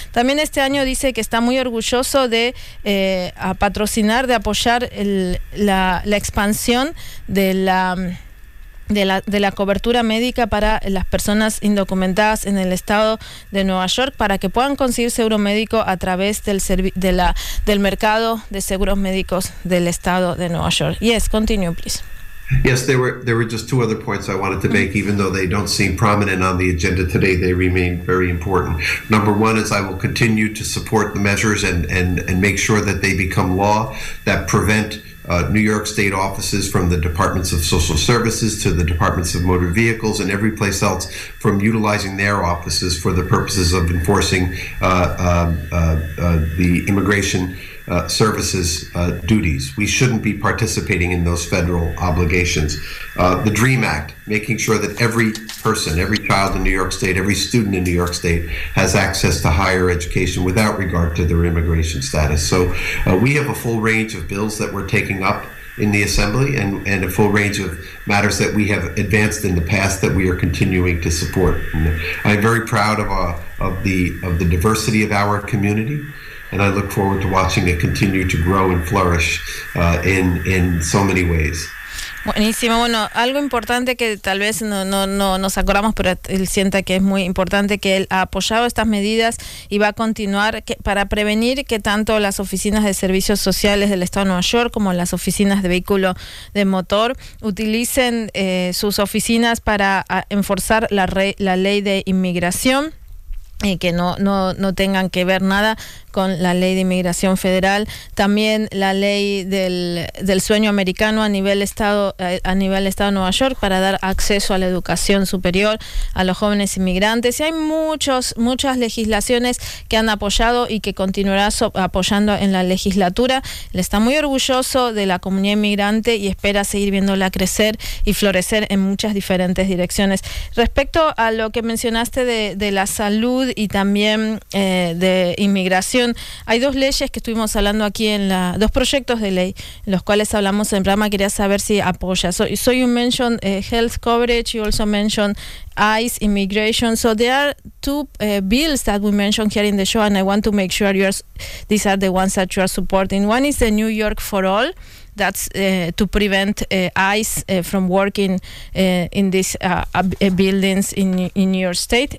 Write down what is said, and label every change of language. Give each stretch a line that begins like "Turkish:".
Spanish: También este año dice que está muy orgulloso de patrocinar, de apoyar la expansión de la cobertura médica para las personas indocumentadas en el estado de Nueva York, para que puedan conseguir seguro médico a través del mercado de seguros médicos del estado de Nueva York.
English: Yes, continue, please. Yes, there were just two other points I wanted to make. Even though they don't seem prominent on the agenda today, they remain very important. Number one is I will continue to support the measures and make sure that they become law that prevent New York State offices, from the Departments of Social Services to the Departments of Motor Vehicles and every place else, from utilizing their offices for the purposes of enforcing the immigration services duties. We shouldn't be participating in those federal obligations. The DREAM Act, making sure that every person, every child in New York State, every student in New York State has access to higher education without regard to their immigration status. So we have a full range of bills that we're taking up in the Assembly and a full range of matters that we have advanced in the past that we are continuing to support. And I'm very proud of the diversity of our community. And I look forward to watching it continue to grow and flourish in so many ways.
Spanish: Buenísimo. Bueno, algo importante que tal vez no nos acordamos, pero él sienta que es muy importante, que él ha apoyado estas medidas y va a continuar para prevenir que tanto las oficinas de servicios sociales del estado de Nueva York como las oficinas de vehículo de motor utilicen sus oficinas para enforzar la ley de inmigración, y que no tengan que ver nada con la ley de inmigración federal. También la ley del sueño americano a nivel estado de Nueva York, para dar acceso a la educación superior a los jóvenes inmigrantes. Y hay muchas legislaciones que han apoyado y que continuará apoyando en la legislatura. Él está muy orgulloso de la comunidad inmigrante y espera seguir viéndola crecer y florecer en muchas diferentes direcciones. Respecto a lo que mencionaste de la salud y también de inmigración, hay dos leyes que estuvimos hablando aquí, dos proyectos de ley en los cuales hablamos en el programa. Quería saber si apoya.
English: So you mentioned health coverage, you also mentioned ICE, immigration. So there are two bills that we mentioned here in the show, and I want to make sure these are the ones that you are supporting. One is the New York for All. That's to prevent ICE from working in these buildings in New York State.